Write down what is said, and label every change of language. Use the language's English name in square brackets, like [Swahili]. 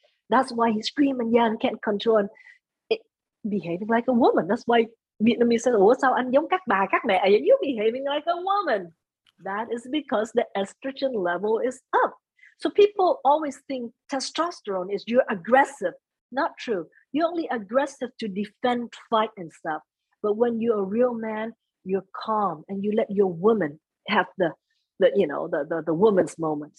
[English] That's why he scream and yell and can't control and it, behaving like a woman. That's why Vietnamese say, [Vietnamese] "Ủa sao anh giống các bà, các mẹ? [English] Are you behaving like a woman?" That is because the estrogen level is up. So people always think testosterone is you're aggressive. Not true. You're only aggressive to defend, fight and stuff. But when you're a real man, you're calm and you let your woman have the woman's moment.